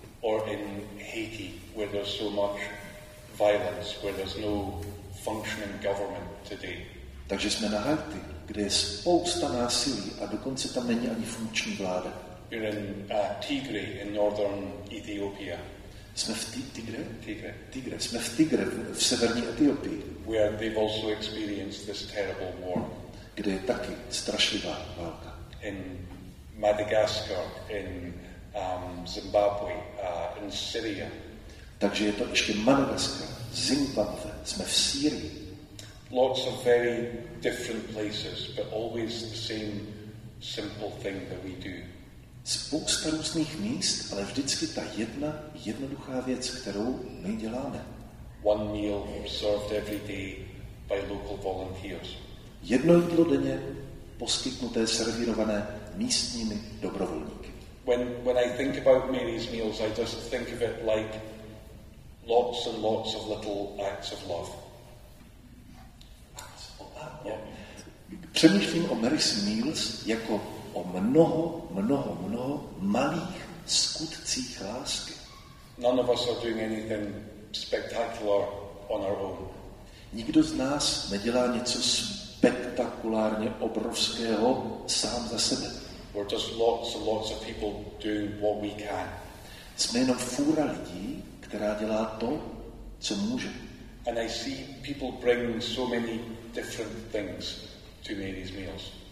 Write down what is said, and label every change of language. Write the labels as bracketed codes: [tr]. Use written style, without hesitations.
[en] Or in Haiti, where there's so much violence, where there's no functioning government today. [cs] Takže jsme na Haiti, kde je spousta násilí a dokonce tam není ani funkční vláda. [en] We're in Tigray in northern Ethiopia. [cs] Jsme v Tigre? Tigre. Jsme v Tigre, v severní Etiopii. [en] Where they've also experienced this terrible war. [cs] Kde je taky strašlivá válka. [en] In Madagascar, in Zimbabwe, in Syria. [cs] Takže je to ještě Madagascar, Zimbabwe, jsme v Sýrii. [en] Lots of very different places, but always the same simple thing that we do. [cs] Spousta různých míst, ale vždycky ta jedna jednoduchá věc, kterou my děláme. [en] One meal served every day by local volunteers. [cs] Jedno jídlo denně poskytnuté, servírované místními dobrovolníky. [en] When I think about Mary's meals, I just think of it like lots and lots of little acts of love. [cs] Přemýšlím o Mary's meals jako o mnoho, mnoho, mnoho malých skutcích lásky. [en] None of us are doing anything spectacular on our own. [cs] Nikdo z nás nedělá něco spektakulárně obrovského sám za sebe. [en] We're just lots and lots of people doing what we can. [cs] Jsme jenom fůra lidí, která dělá to, co může. [en] And I see people bring so many different things to Mary's meals.